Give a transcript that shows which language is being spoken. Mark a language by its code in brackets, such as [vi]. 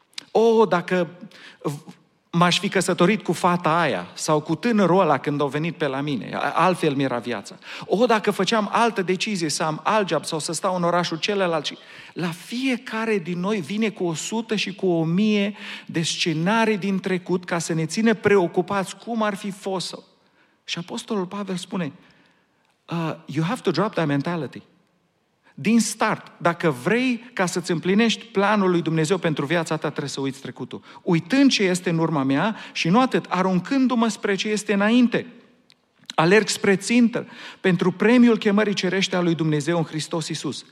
[ro] Oh, dacă m-aș fi căsătorit cu fata aia sau cu tânărul ăla când au venit pe la mine. Altfel mi-era viața. Oh, dacă făceam altă decizie să am alt job sau să stau în orașul celălalt. La fiecare din noi vine cu 100 și cu 1000 de scenarii din trecut ca să ne ține preocupați cum ar fi fost. Și Apostolul Pavel spune, [en] you have to drop that mentality. [ro] Din start, dacă vrei ca să-ți împlinești planul lui Dumnezeu pentru viața ta, trebuie să uiți trecutul. Uitând ce este în urma mea și nu atât, aruncându-mă spre ce este înainte. Alerg spre țintă pentru premiul chemării cerește a lui Dumnezeu în Hristos Iisus.